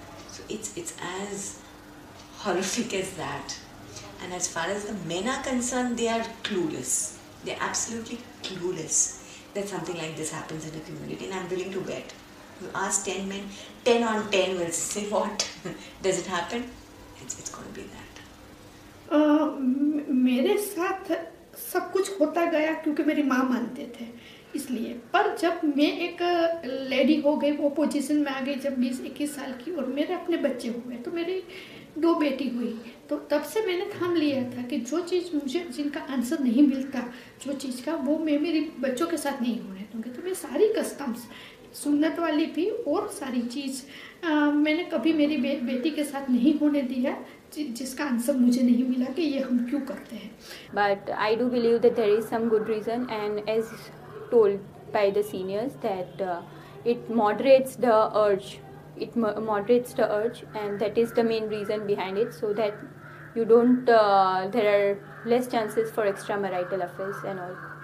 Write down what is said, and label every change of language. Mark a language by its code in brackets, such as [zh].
[en] So it's as horrific as that. And as far as the men are concerned, they are clueless. They're absolutely clueless that something like this happens in a community. And I'm willing to bet, you ask 10 men, 10 on 10 will say, what? Does it happen? It's going to be that. [hi] मेरे साथ सब कुछ होता गया क्योंकि मेरी माँ मानते थे इसलिए. पर जब मैं एक लेडी हो गई, वो पोजीशन में आ गई जब 20-21 साल की, और मेरे अपने बच्चे हुए, तो मेरी 2 बेटी हुई, तो तब से मैंने थाम लिया था कि जो चीज़ मुझे, जिनका आंसर नहीं मिलता जो चीज़ का, वो मैं मेरी बच्चों के साथ नहीं होने दूँगी. तो मैं सारी कस्टम्स, सुन्नत वाली भी और सारी चीज़ मैंने कभी मेरी बेटी के साथ नहीं होने दिया जिसका आंसर मुझे नहीं मिला कि ये हम क्यों करते हैं. [en] But I do believe that there is some good reason and as told by the seniors that it moderates the urge. It moderates the urge, and that is the main reason behind it, so that you don't, there are less chances for extramarital affairs and all.